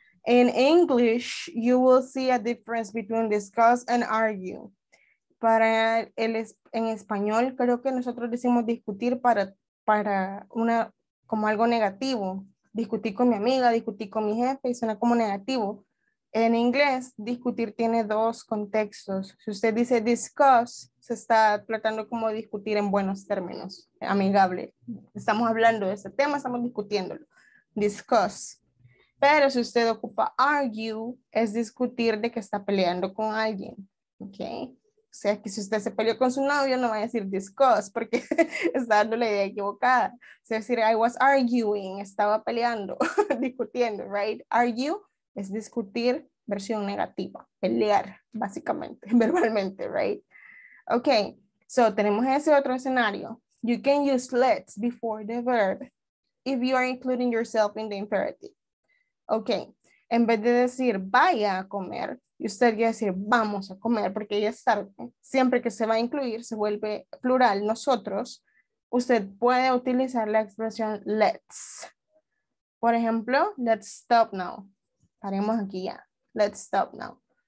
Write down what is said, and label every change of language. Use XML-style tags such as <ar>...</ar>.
<en>In English, you will see a difference between discuss and argue.</en> <es>Para el en español, creo que nosotros decimos discutir para una como algo negativo. Discutí con mi amiga, discutí con mi jefe, y suena como negativo. En inglés, discutir tiene dos contextos. Si usted dice discuss, se está tratando como discutir en buenos términos, amigable. Estamos hablando de ese tema, estamos discutiéndolo. Discuss. Pero si usted ocupa argue, es discutir de que está peleando con alguien. Okay. O sea, que si usted se peleó con su novio, no va a decir discuss, porque está dando la idea equivocada. Es decir,</es> <en>I was arguing,</en> <es>estaba peleando, discutiendo, right? Argue es discutir, versión negativa, pelear, básicamente, verbalmente, right? Okay, so tenemos ese otro escenario.</es> <en>You can use let's before the verb if you are including yourself in the imperative. Okay.</en> <es>En vez de decir vaya a comer, usted quiere decir vamos a comer porque ya es tarde. Siempre que se va a incluir, se vuelve plural nosotros. Usted puede utilizar la expresión let's. Por ejemplo,</es> <en>let's stop now.</en> <es>Paremos aquí ya.</es> <en>Let's stop now.</en>